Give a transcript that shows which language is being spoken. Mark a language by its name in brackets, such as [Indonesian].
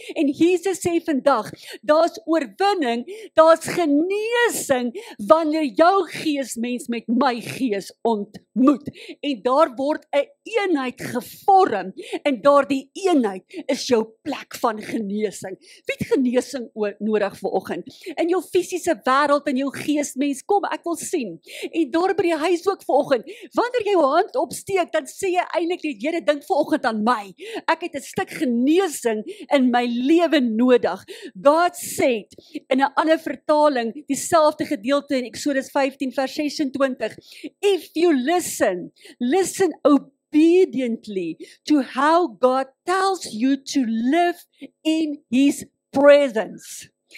[Afrikaans] En Jesus sê vandag, daar's oorwinning, daar's genesing wanneer jou gees mens met my gees ontmoet. En daar word 'n eenheid gevorm en daardie eenheid is jou plek van genesing. Wie het genesing nodig vanoggend? In jou fisiese wêreld en jou gees mens, kom ek wil sien. En daar by die huis ook vanoggend, wanneer jy jou hand opsteek, dan sê jy eintlik die Here dink vanoggend aan my. Ek het 'n stuk genesing in my lewe nodig. God sê in 'n ander vertaling, dieselfde gedeelte in Exodus 15 vers 26, [English] if you listen, listen obediently to how God tells you to live in His presence.